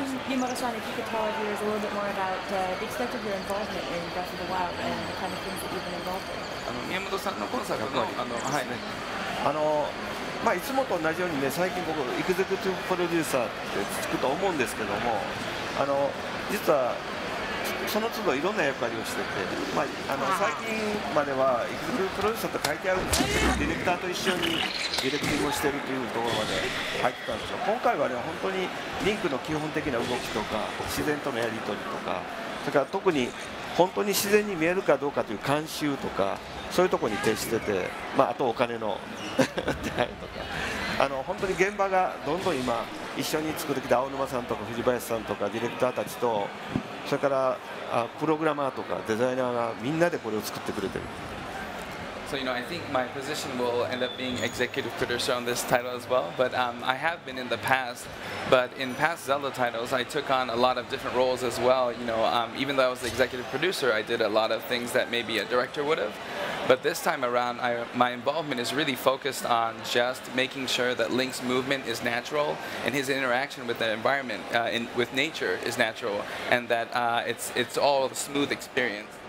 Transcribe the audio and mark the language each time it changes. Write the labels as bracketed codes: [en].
[en] Miyamoto-san, if you could tell our viewers a little bit more about the extent of your involvement in Breath of the Wild and the kind of things that you've been involved in. [ja] 宮本さんのコンサートの、はい、あの、まあ、いつもと同じように、ね、最近僕、いくづくプロデューサーって、つくと思うんですけども、あの、実は、その都度いろんな役割をしてて、まあ、あの、最近までは、いくづくプロデューサーと書いてあるんですけど、ディレクターと一緒にディレクティングをしてるというところまで入ってたんですよ。今回はね、本当にリンクの基本的な動きとか、自然とのやり取りとか、それからどこに本当に自然に見えるかどうかという監修とか、そういうところに徹してて、まあ、あとお金の出会いとか。あの本当に現場がどんどん今一緒に作ってきた青沼さんとか藤林さんとかディレクターたちとそれからプログラマーとかデザイナーがみんなでこれを作ってくれてる。 [en] So, you know, I think my position will end up being executive producer on this title as well. But I have been in the past. But in past Zelda titles, I took on a lot of different roles as well. You know, even though I was the executive producer, I did a lot of things that maybe a director would have. But this time around, my involvement is really focused on just making sure that Link's movement is natural and his interaction with the environment, with nature, is natural, and that it's all a smooth experience.